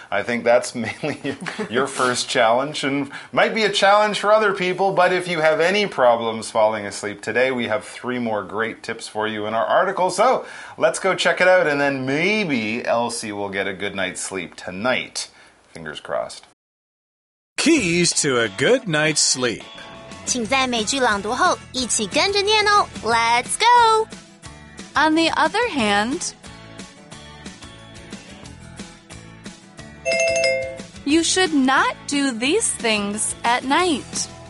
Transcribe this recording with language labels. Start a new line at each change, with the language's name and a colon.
English: I think that's mainly your first challenge and might be a challenge for other people. But if you have any problems falling asleep today, we have three more great tips for you in our article. So let's go check it out. And then maybe Elsie will get a good night's sleep tonight. Fingers crossed. Keys to a good night's sleep.
Chinese: 请在每句朗读后一起跟着念哦。
English: Let's go! On the other hand, you should not do these things at night.